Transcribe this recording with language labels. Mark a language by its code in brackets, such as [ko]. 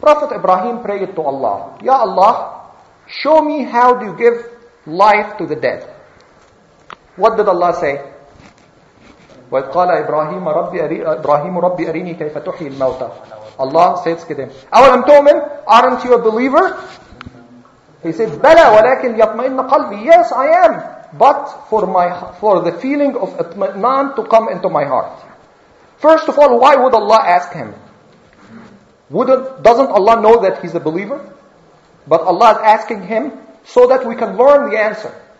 [en] Prophet Ibrahim prayed to Allah, Ya Allah, show me how do you give life to the dead. What did Allah say? [ar] وَقَالَ إِبْرَاهِيمُ رَبِّ أَرِينِي كَيْفَ تُحْيِي الْمَوْتَى. [en] Allah says to them, [ar] أَوَلَمْ تُؤْمِنْ? [en] Aren't you a believer? He said, [ar] بَلَى وَلَكِنْ يَطْمَئِنَّ قَلْبِي. [en] Yes, I am. But for the feeling of اطمئنان to come into my heart. First of all, why would Allah ask him? Doesn't Allah know that he's a believer? But Allah is asking him so that we can learn the answer.